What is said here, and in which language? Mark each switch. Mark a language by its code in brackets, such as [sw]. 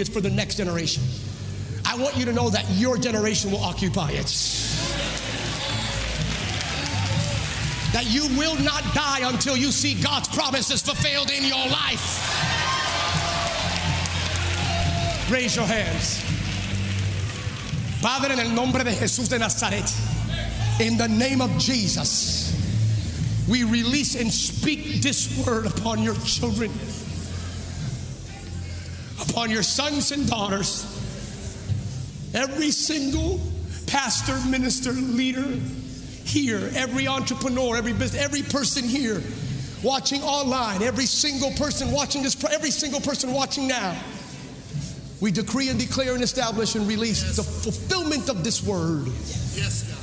[en] It's for the next generation. I want you to know that your generation will occupy it. That you will not die until you see God's promises fulfilled in your life. Raise your hands. [es] Padre, en el nombre de Jesús de Nazaret. [en] In the name of Jesus, we release and speak this word upon your children, upon your sons and daughters, every single pastor, minister, leader here, every entrepreneur, every business, every person here watching online, every single person watching this, every single person watching now, we decree and declare and establish and release the fulfillment of this word. Yes, God.